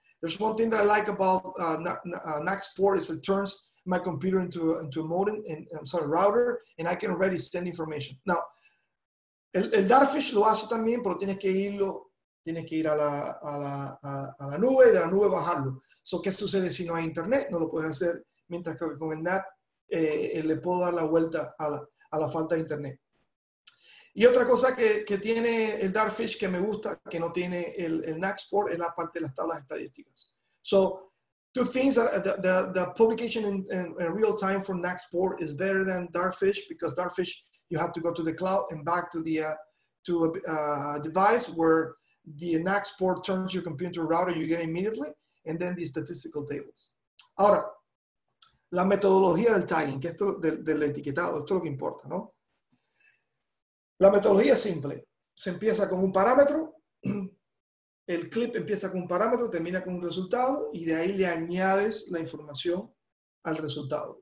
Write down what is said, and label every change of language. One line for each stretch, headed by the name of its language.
English: There's one thing that I like about NaxPort is it turns my computer into a modem, and I'm sorry, router, and I can already send information.
Spanish: Now, el Darkfish lo hace también, pero tienes que ir a la nube, de la nube bajarlo. So, ¿qué sucede si no hay internet? No lo puedes hacer, mientras que con el NAT le puedo dar la vuelta a la falta de internet. Y otra cosa que tiene el Darkfish que me gusta, que no tiene el NaxPort, es la parte de las tablas estadísticas.
English: So, two things, the publication in real time for NaxPort is better than Darkfish, because Darkfish, you have to go to the cloud and back to the device where the NaxPort turns your computer into a router, you get it immediately, and then the statistical tables.
Spanish: Ahora, la metodología del tagging, que esto del etiquetado, esto es lo que importa, ¿no? La metodología es simple. Se empieza con un parámetro. El clip empieza con un parámetro, termina con un resultado y de ahí le añades la información al resultado.